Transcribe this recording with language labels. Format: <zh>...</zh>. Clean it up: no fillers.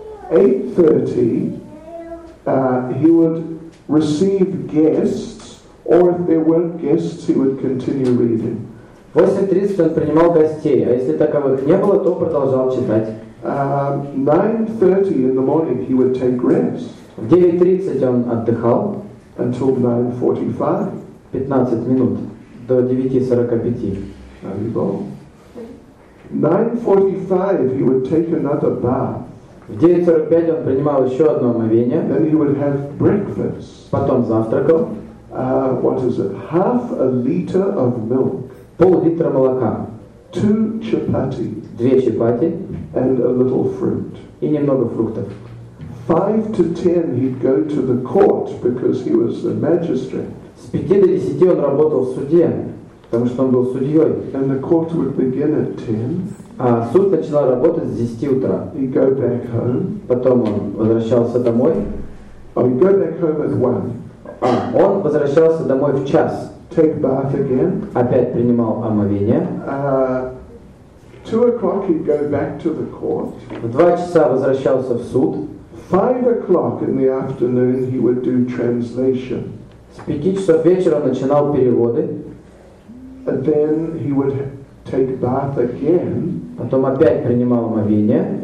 <en>8:30 he would receive guests, or if there weren't guests, he would continue reading.</en> <ru>В 8:30 он принимал гостей, а если таковых не было, то продолжал читать.</ru> <en>9:30 in the morning he would take rest.</en> <ru>В 9:30 он отдыхал.</ru> <en>Until 9:45.</en> <ru>15 минут до 9:45.</ru> <en>9:45 he would take another bath.</en> <ru>В 9:45 он принимал еще одно омовение.</ru> <en>Then he would have breakfast.</en> <ru>Потом завтракал.</ru> <en>What is it? Half a liter of milk.</en> <ru>Пол-литра молока.</ru> <en>2 chapati.</en> <ru>2 чапати.</ru> <en>And a little fruit.</en> <ru>И немного фруктов.</ru> <en>5 to 10 he'd go to the court because he was a magistrate.</en> <ru>С 5 до 10 он работал в суде, потому что он был судьей.</ru> <en>And the court would begin at 10.</en> <ru>А суд начинал работать с 10 утра.</ru> <en>He'd go back home.</en> <ru>Потом он возвращался домой.</ru> <en>Oh, he'd go back home at 1.</en> <ru>А он возвращался домой в час.</ru> <en>Take bath again.</en> <ru>Опять принимал омовение.</ru> <en>2 o'clock he'd go back to the court.</en> <ru>В 2 часа возвращался в суд.</ru> <en>5 o'clock in the afternoon he would do translation.</en> <ru>С 5 часов вечера он начинал переводы.</ru> <en>And then he would take bath again.</en> <ru>Потом опять принимал омовение.</ru>